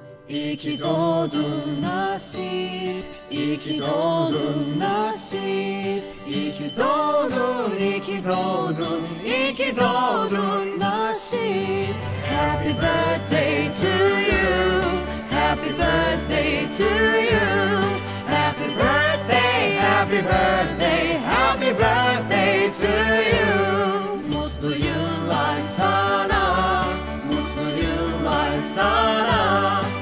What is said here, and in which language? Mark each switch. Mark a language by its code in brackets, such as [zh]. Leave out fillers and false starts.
[tr] İyi ki doğdun nasip, iyi ki doğdun nasip, iyi ki doğdun, iyi ki doğdun, iyi ki doğdun nasip. [en] Happy birthday to you, happy birthday to you, happy birthday, happy birthday, happy birthday to you. [tr] Mutlu yıllar sana, mutlu yıllar sana.